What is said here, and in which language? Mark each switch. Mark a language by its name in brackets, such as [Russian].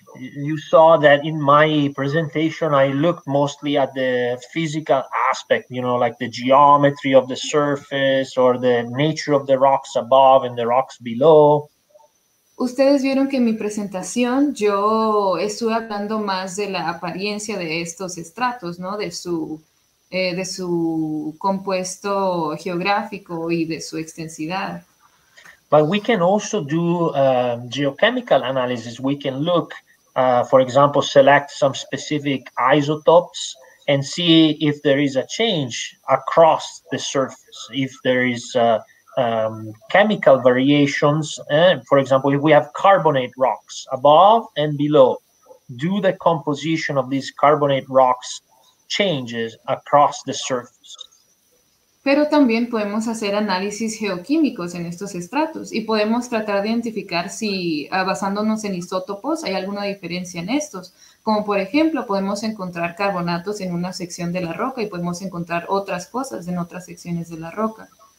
[English] you saw that in my presentation, I looked mostly at the physical aspect, you know, like the geometry of the surface or the nature of the rocks above and the rocks below. [Spanish] Ustedes vieron que en mi presentación yo estuve hablando más de la apariencia de estos estratos, ¿no? De su compuesto geográfico y de su extensidad. [English] But we can also do geochemical analysis. We can look, for example, select some specific isotopes and see if there is a change across the surface, if there is chemical variations. For example, if we have carbonate rocks above and below, do the composition of these carbonate rocks changes across the surface? [Spanish] Pero también podemos hacer análisis geoquímicos en estos estratos y podemos tratar de identificar si, basándonos en isótopos, hay alguna diferencia en estos. Como por ejemplo, podemos encontrar carbonatos en una sección de la roca y podemos encontrar otras cosas en otras secciones de la roca.